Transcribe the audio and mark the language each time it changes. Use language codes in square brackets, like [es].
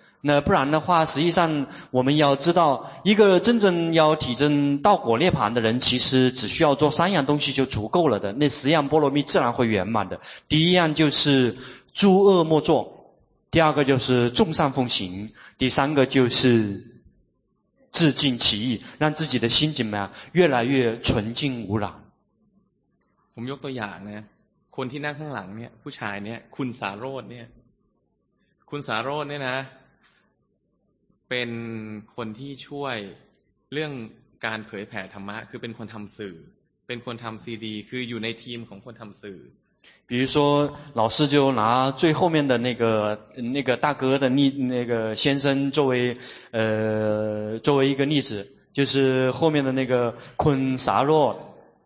[zh] 那不然的话实际上我们要知道一个真正要体证道果涅槃的人其实只需要做三样东西就足够了的那十样波罗蜜自然会圆满的第一样就是诸恶莫作第二个就是众善奉行第三个就是自尽其意让自己的心怎么样越来越纯净无染 [th] ผมยกตัวอย่างนะคนที่นั่งข้างหลังเนี่ยผู้ชายเนี่ยคุณสาโรจน์เนี่ยคุณสาโรจน์เนี่ยนะเป็นคนที่ช่วยเรื่องการเผยแผ่ธรรมะคือเป็นคนทำสื่อเป็นคนทำซีดีคืออยู่ในทีมของคนทำสื่อ [zh] 比如说老师就拿最后面的那个大哥的那个先生作为一个例子就是后面的那个昆萨洛